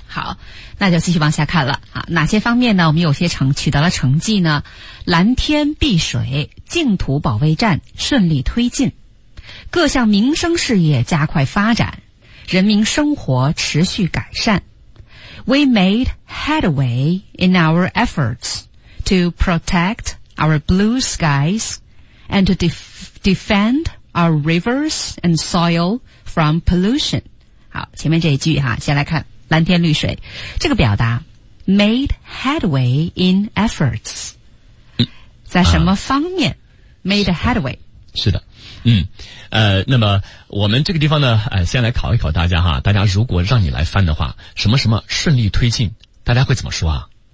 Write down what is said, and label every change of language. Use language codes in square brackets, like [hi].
[zh] 好，那就继续往下看了啊。哪些方面呢？我们有些取得了成绩呢？蓝天碧水、净土保卫战顺利推进，各项民生事业加快发展，人民生活持续改善。 [en] We made headway in our efforts to protect our blue skies and to defend our rivers and soil from pollution. [zh] 好，前面这一句哈，先来看。蓝天绿水，这个表达 [en] made headway in efforts， [zh] 在什么方面 [en] made headway？ [zh] 是的，那么我们这个地方呢，先来考一考大家哈，大家如果让你来翻的话，什么什么顺利推进，大家会怎么说啊？